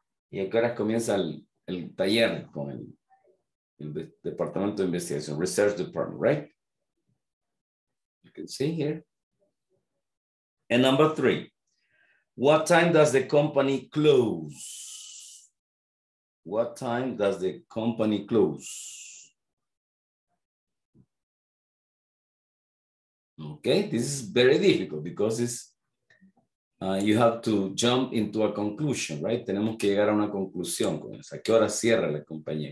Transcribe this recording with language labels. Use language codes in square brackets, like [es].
[es] ¿Y a qué hora comienza el taller con el departamento de investigación, [en] research department, right? You can see here. And number three, what time does the company close? What time does the company close? Okay, this is very difficult because it's you have to jump into a conclusion, right? [es] Tenemos que llegar a una conclusión con eso. ¿A qué hora cierra la compañía?